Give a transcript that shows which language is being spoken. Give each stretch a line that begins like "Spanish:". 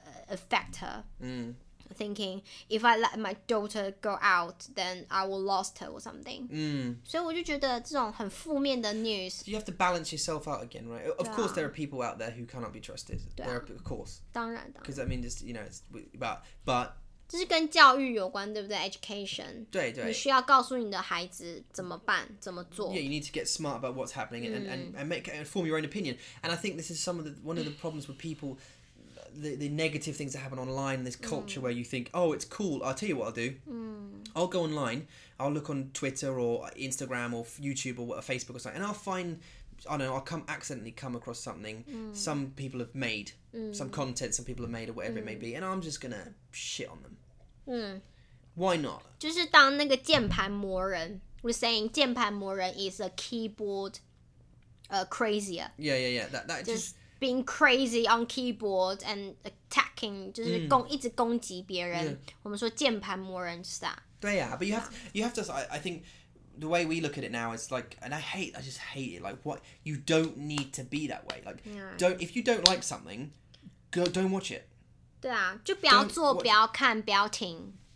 English: affect her thinking if I let my daughter go out then I will lost her or something so
Chinese: 我就觉得这种很负面的
English: news you have to balance yourself out again right of course there are people out there who cannot be trusted there are, of course
Chinese: 当然
English: because I mean just you know it's but
Chinese: 这是跟教育有关对不对 education 对对你需要告诉你的孩子怎么办怎么做
English: you need to get smart about what's happening and make and form your own opinion and I think this is some of the one of the problems with people the negative things that happen online this culture where you think oh it's cool I'll tell you what I'll do I'll go online I'll look on Twitter or Instagram or YouTube or Facebook or something and I'll find I don't know I'll come accidentally come across something some people have made some content some people have made or whatever it may be and I'm just gonna shit on them why not
Chinese: 就是当那个键盘魔人
English: we're saying
Chinese: 键盘魔人
English: is a keyboard crazier yeah that just being crazy on keyboard and attacking
Chinese: 就是一直攻击别人 我们说键盘魔人对啊
English: but you have to I think the way we look at it now is like and I just hate it like what you don't need to be that way like don't if you don't like something go don't watch it
Chinese: 对啊就不要做不要看不要听